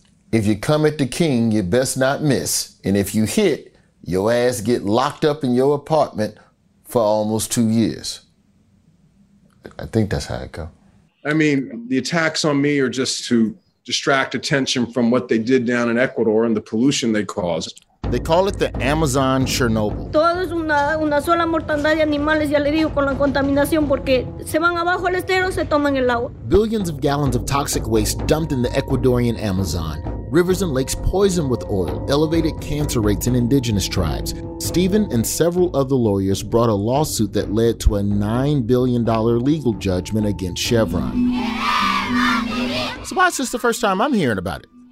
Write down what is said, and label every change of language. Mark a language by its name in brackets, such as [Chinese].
[English] If you come at the king, you best not miss. And if you hit, your ass get locked up in your apartment for almost 2 years. I think that's how it goes. I mean, the attacks on me are just to distract attention from what they did down in Ecuador and the pollution they caused. They call it the Amazon Chernobyl. [Spanish] Todo es una sola mortandad de animales, ya le digo, con la contaminación, porque se van abajo el estero, se toman el agua. [English] Billions of gallons of toxic waste dumped in the Ecuadorian Amazon. Rivers and lakes poisoned with oil, elevated cancer rates in indigenous tribes. Stephen and several other lawyers brought a lawsuit that led to a $9 billion legal judgment against Chevron. So why is this the first time I'm hearing about it?